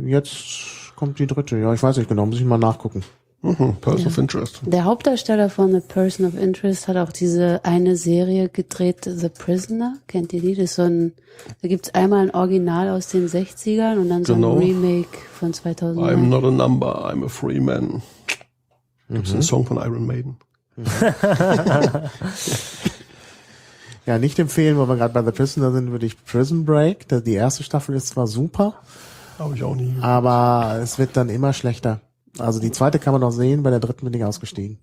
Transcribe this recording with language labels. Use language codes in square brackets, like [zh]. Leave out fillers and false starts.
[de] Jetzt kommt die dritte, ja, ich weiß nicht genau, muss ich mal nachgucken. Person of Interest. Der Hauptdarsteller von The Person of Interest hat auch diese eine Serie gedreht, The Prisoner. Kennt ihr die? Das ist so ein, da gibt's einmal ein Original aus den 60ern und dann genau, so ein Remake von 2009. [en] I'm not a number, I'm a free man. [de] Gibt's einen Song von Iron Maiden. Ja, nicht empfehlen, weil wir gerade bei The Prisoner sind, würde ich Prison Break. Die erste Staffel ist zwar super. Habe ich auch nie. Aber es wird dann immer schlechter. Also die zweite kann man noch sehen, bei der dritten bin ich ausgestiegen.